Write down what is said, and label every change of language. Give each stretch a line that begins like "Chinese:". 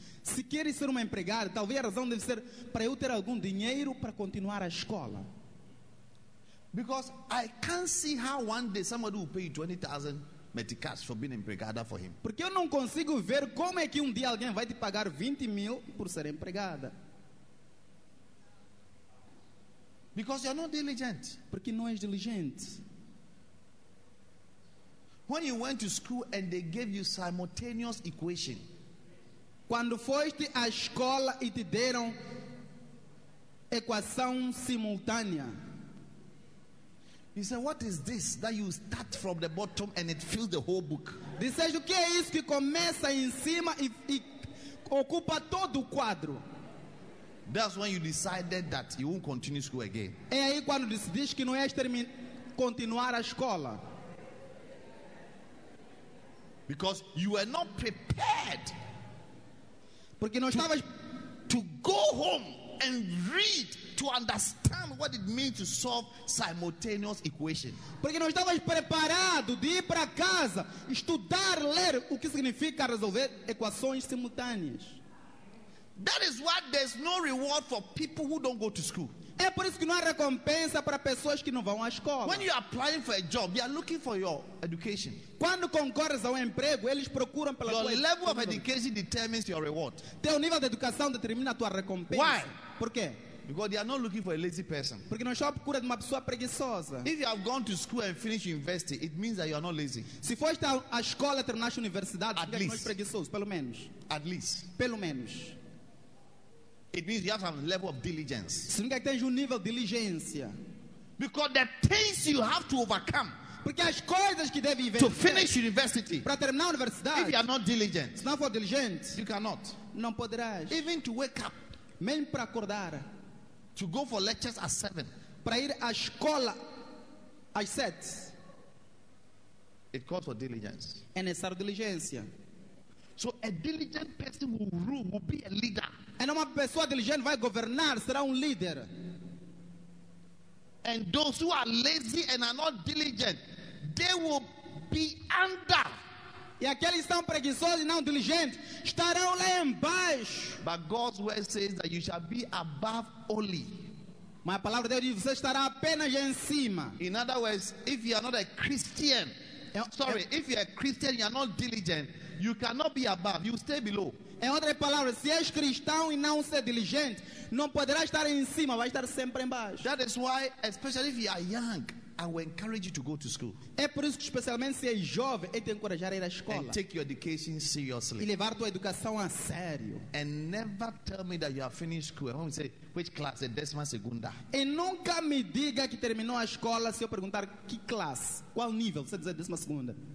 Portuguese: Se queres ser uma empregada, talvez a razão deve ser para eu ter algum dinheiro para continuar a escola.
English: Because I can't see how one day somebody will pay you 20,000 meticais for being empregada for him.
Portuguese: Porque eu não consigo ver como é que um dia alguém vai te pagar 20 mil por ser empregada.
English: Because you're not diligent.
Portuguese: Porque não és diligente.
English: When you went to school and they gave you simultaneous equation.
Portuguese: Quando foste à escola e te deram equação simultânea.
English: You say, what is this that you start from the bottom and it fills the whole book?
Portuguese: Dizes, o que é isso que começa em cima e ocupa todo o quadro?
English: That's when you decided that you won't continue school again.
Portuguese: É aí quando decidiste que não ias continuar a escola.
English: Because you were not prepared.
Portuguese: Porque não estavas
English: to go home and read to understand what it means to solve simultaneous equation.
Portuguese: Porque não estavas preparado de ir para casa, estudar, ler o que significa resolver equações simultâneas.
English: That is why there's no reward for people who don't go to school.
Portuguese: É por isso que não há recompensa para pessoas que não vão à escola.
English: When you are applying for a job, you are looking for your education.
Portuguese: Quando concorres a emprego, eles procuram pela
English: your level of education determines your reward.
Portuguese: Teu nível de educação determina a tua recompensa.
English: Why?
Portuguese: Por quê?
English: Because they are not looking for a lazy person.
Portuguese: Porque não estão à procura de uma pessoa preguiçosa.
English: If you have gone to school and finished university, it means that you are not lazy.
Portuguese: Se foste à escola e terminaste a universidade,
English: at least.
Portuguese: Não és preguiçoso, pelo menos.
English: At least.
Portuguese: Pelo menos.
English: It means you have some level of diligence.
Portuguese: Significa que tens nível de diligência.
English: Because the things you have to overcome.
Portuguese: Porque as coisas que deve
English: to finish university.
Portuguese: Para terminar a universidade.
English: If you are not diligent.
Portuguese: Se não for diligent.
English: You cannot.
Portuguese: Não poderás.
English: Even to wake up.
Portuguese: Mesmo para acordar.
English: To go for lectures at 7.
Portuguese: Para ir à escola às 7.
English: It calls for diligence.
Portuguese: É necessário diligência.
English: So a diligent person will rule, will be a leader.
Portuguese: E uma pessoa diligente vai governar, será líder.
English: And those who are lazy and are not diligent, they will be under.
Portuguese: E aqueles que estão preguiçosos e não diligentes estarão lá embaixo.
English: But God's word says that you shall be above only.
Portuguese: Mas a palavra de Deus diz você estará apenas em cima.
English: In other words, if you are not a Christian, if you are a Christian, you are not diligent. You cannot be above, you stay below.
Portuguese: Em outras palavras, se és cristão e não ser diligente, não poderá estar em cima, vai estar sempre embaixo.
English: That is why, especially if you are young, I will encourage you to go to school.
Portuguese: É por isso que especialmente se és jovem, eu te encorajar a ir à escola.
English: And take your education seriously.
Portuguese: E levar tua educação a sério.
English: And never tell me that you have finished school. I want to say which class,
Portuguese: a décima segunda. E nunca me diga que terminou a escola se eu perguntar que classe, qual nível, você dizer décima segunda.